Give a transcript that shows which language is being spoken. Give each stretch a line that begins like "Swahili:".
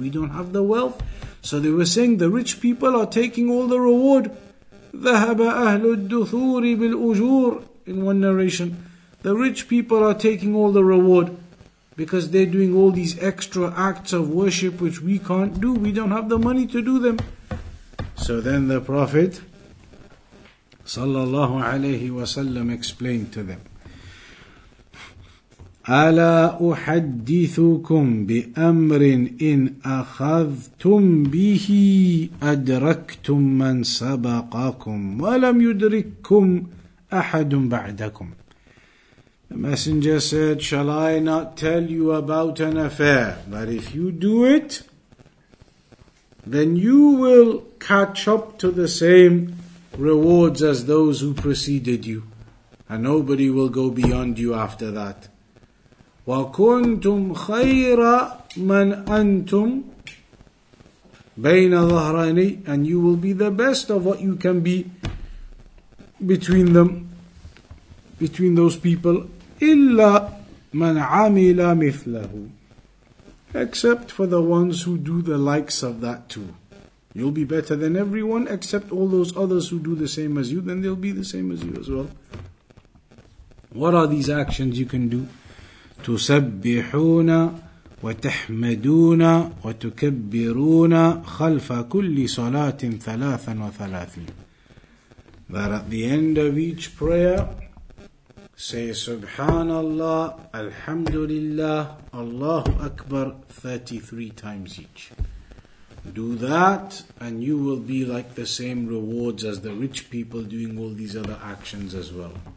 English: We don't have the wealth. So they were saying the rich people are taking all the reward.
Arabic: ذهب أهل الدثور بالأجور,
English: in one narration, the rich people are taking all the reward because they're doing all these extra acts of worship which we can't do. We don't have the money to do them. So then the Prophet صلى الله عليه وسلم explained to them,
Arabic: ألا أحدثكم بأمر إن أخذتم به أدركتم من سبقكم ولم يدرككم أحد بعدكم.
English: The Messenger said, shall I not tell you about an affair? But if you do it, then you will catch up to the same rewards as those who preceded you, and nobody will go beyond you after that.
Arabic: وَكُنْتُمْ خَيْرَ مَنْ أَنْتُمْ بَيْنَ ظَهْرَانِي,
English: and you will be the best of what you can be between them, between those people.
Arabic: إِلَّا مَنْ عَمِلَ مِثْلَهُ,
English: except for the ones who do the likes of that too. You'll be better than everyone except all those others who do the same as you, then they'll be the same as you as well. What are these actions you can do?
Arabic: تسبحون وتحمدون وتكبرون خلف كل صلاة ثلاثا وثلاثين.
English: that at the end of each prayer, say
Arabic: Subhanallah, Alhamdulillah, Allahu Akbar
English: 33 times each. Do that and you will be like the same rewards as the rich people doing all these other actions as well.